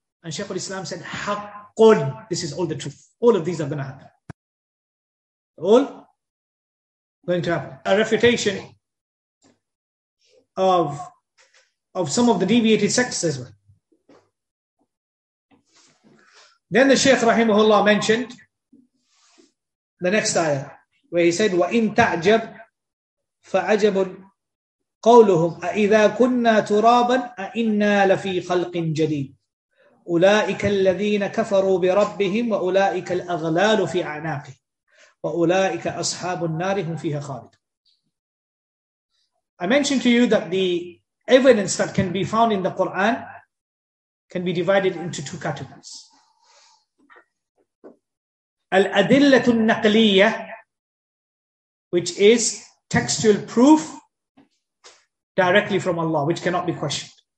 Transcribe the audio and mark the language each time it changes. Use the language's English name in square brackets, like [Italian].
[English] And Shaykh al-Islam said, حَقٌّ. This is all the truth. All of these are going to happen. All going to happen. A refutation of some of the deviated sects as well. Then the Shaykh rahimahullah mentioned the next ayah where he said, [Arabic] وَإِن تَعْجَبْ فَعَجَبٌ قَوْلُهُمْ أَإِذَا كُنَّا تُرَابًا أَإِنَّا لَفِي خَلْقٍ جَدِيدٍ أُولَٰئِكَ الَّذِينَ كَفَرُوا بِرَبِّهِمْ وَأُولَٰئِكَ الْأَغْلَالُ فِي أَعْنَاقِهِمْ وَأُولَٰئِكَ أَصْحَابُ النَّارِ هُمْ فِيهَا خَالِدُونَ. [English] I mentioned to you that the evidence that can be found in the Quran can be divided into two categories. Al-adillatu al-naqliya, which is textual proof directly from Allah, which cannot be questioned.